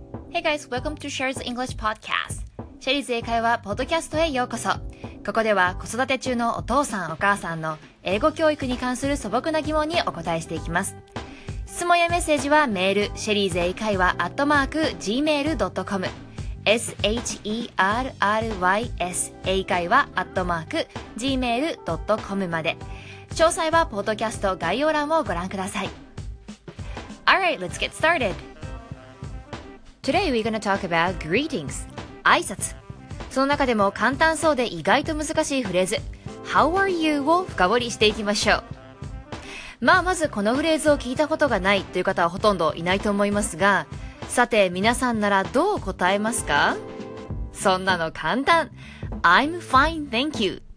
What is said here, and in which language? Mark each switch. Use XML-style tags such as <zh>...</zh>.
<en>Hey guys, welcome to Sherry's English Podcast.</en> <ja>Sherry's 英会話ポッドキャストへようこそ。ここでは子育て中のお父さんお母さんの英語教育に関する素朴な疑問にお答えしていきます。質問やメッセージはメール、Sherry's 英会話@gmail.com。 Sherry's 英会話@gmail.com まで。詳細はポッドキャスト概要欄をご覧ください。</ja> <en>All right, let's get started. Today we're going to talk about greetings, 挨拶。</en> <ja>その中でも簡単そうで意外と難しいフレーズ、</ja> <en>How are you?</en> <ja>を深掘りしていきましょう。まあまずこのフレーズを聞いたことがないという方はほとんどいないと思いますが、さて皆さんならどう答えますか？そんなの簡単。</ja> <en>I'm fine, thank you.</en>